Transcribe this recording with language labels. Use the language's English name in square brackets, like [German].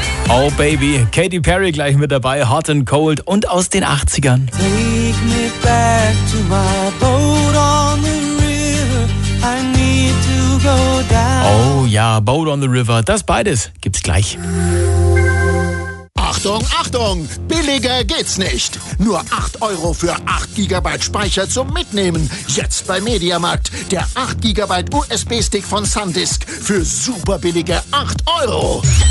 [German] Oh Baby, Katy Perry gleich mit dabei, Hot and Cold und aus den 80ern. [English] Take me back to my boat on the river, I need to go down. [German] Oh ja, Boat on the River, das beides gibt's gleich. Achtung, Achtung, billiger geht's nicht. Nur 8 Euro für 8 GB Speicher zum Mitnehmen. Jetzt bei Mediamarkt, der 8 GB USB-Stick von SanDisk für super billige 8 Euro.